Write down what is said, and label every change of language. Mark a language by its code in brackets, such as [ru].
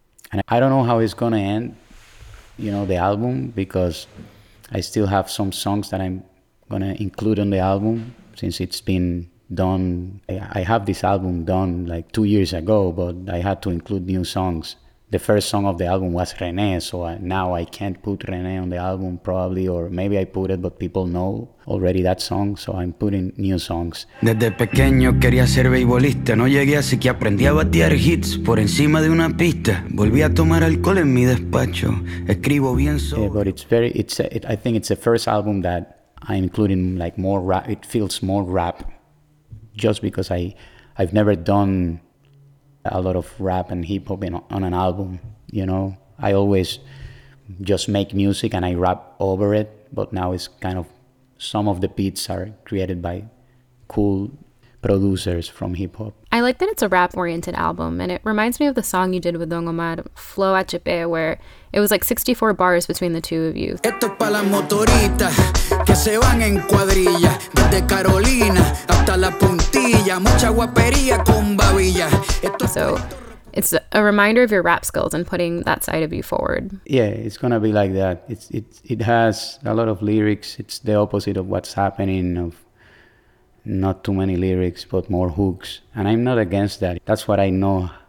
[en] And I don't know how it's gonna end, you know, the album, because I still have some songs that I'm gonna include on the album since it's been done. I have this album done like 2 years ago, but I had to include new songs. The first song of the album was René, so now I can't put René on the album probably, or maybe I put it, but people know already that song, so I'm putting new songs. [es] Desde pequeño quería ser beisbolista, no llegué así que aprendí a batear hits por encima de una pista. Volví a tomar alcohol en mi despacho, escribo bien solo. [en] Yeah, but I think it's the first album that I'm including like more rap. It feels more rap, just because I've never done a lot of rap and hip hop on an album, you know. I always just make music and I rap over it, but now it's kind of, some of the beats are created by cool producers from hip hop. I like that it's a rap oriented album, and it reminds me of the song you did with Don Omar, Flow Achepe, where it was like 64 bars between the two of you. [es] Esto es para las motoritas que se van en cuadrilla, desde Carolina hasta la puntilla, mucha guapería con babilla. [en] So it's a reminder of your rap skills and putting that side of you forward. Yeah, it's gonna be like that. It has a lot of lyrics. It's the opposite of what's happening, of not too many lyrics but more hooks, and I'm not against that. That's what I know.